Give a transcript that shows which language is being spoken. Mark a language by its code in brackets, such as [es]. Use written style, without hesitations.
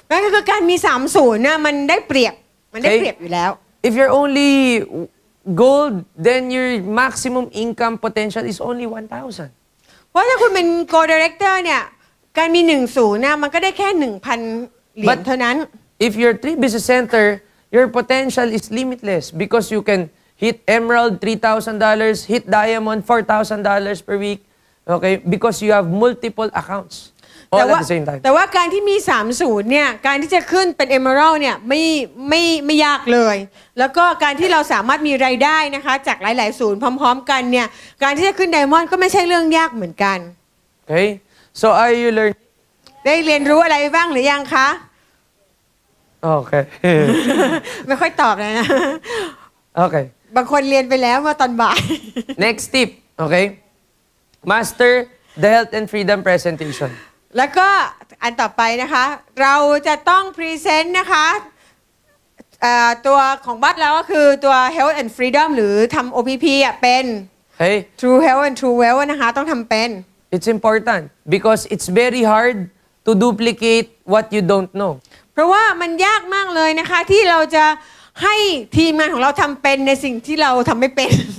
[th] นั่นก็คือการมี 3-0 นะมันได้เปรียบมันได้เปรียบอยู่แล้ว [en] If you're only gold, then your maximum income potential is only 1,000. [th] เพราะถ้าคุณเป็น gold director เนี่ยการมี 1-0 นะมันก็ได้แค่ 1,000 เหรียญเท่านั้น [en] If you're 3BC Center, your potential is limitless because you can hit Emerald $3,000, hit Diamond $4,000 per week, okay? Because you have multiple accounts all at the same time. [th] แต่ว่าการที่มี 3-0 เนี่ยการที่จะขึ้นเป็น Emerald เนี่ยไม่ยากเลยแล้วก็การที่เราสามารถมีรายได้นะคะจากหลายๆศูนย์พร้อมๆกันเนี่ยการที่จะขึ้น Diamond ก็ไม่ใช่เรื่องยากเหมือนกัน [en] โอเค So are you learning? [th] ได้เรียนรู้อะไรบ้างหรือยังคะ โอเค ไม่ค่อยตอบเลยนะ โอเค บางคนเรียนไปแล้วเมื่อตอนบ่าย [en] next tip โอเค master the health and freedom presentation [th] แล้วก็อันต่อไปนะคะเราจะต้องพรีเซนต์นะคะตัวของบัตรแล้วก็คือตัว health and freedom หรือทำ OPP อ่ะเป็น [en] hey true health and true wealth [th] นะคะต้องทำเป็น [en] it's important because it's very hard to duplicate what you don't know [th] เพราะว่ามันยากมากเลยนะคะที่เราจะให้ทีมงานของเราทำเป็นในสิ่งที่เราทำไม่เป็น